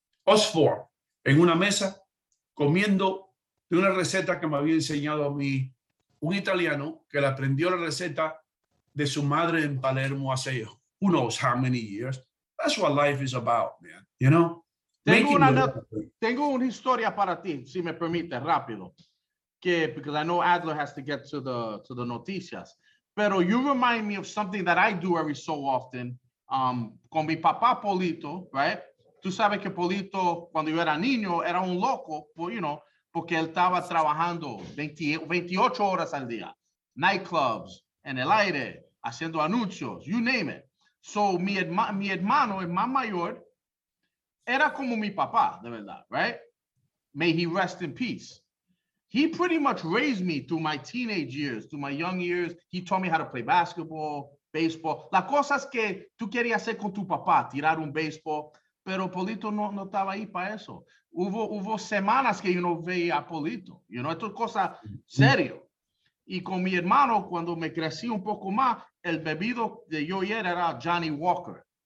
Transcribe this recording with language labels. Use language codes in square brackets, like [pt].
[es] Us four, en una mesa, comiendo de una receta que me había enseñado a mí un italiano que le aprendió la receta de su madre en Palermo hace [en] who knows how many years. That's what life is about, man. You know? [es] Tengo una historia para ti, si me permite, rápido. [en] Because I know Adler has to get to the noticias. Pero you remind me of something that I do every so often. [es] Con mi papá Polito, right? Tú sabes que Polito, cuando yo era niño, era un loco, [en] you know, [es] porque él estaba trabajando 28 horas al día, nightclubs, en el aire, haciendo anuncios, [en] you name it. [es] So mi hermano, el más mayor, era como mi papá, de verdad, right? [en] May he rest in peace. He pretty much raised me through my teenage years, through my young years. He taught me how to play basketball, baseball. [es] La cosa es que tú querías hacer con tu papá, tirar un baseball, pero Polito no estaba ahí para eso. Hubo semanas que yo no veía a Polito. [en] You know, [es] esto es cosa serio. Y con mi hermano, cuando me crecí un poco más, el bebido de yo y él era Johnny Walker.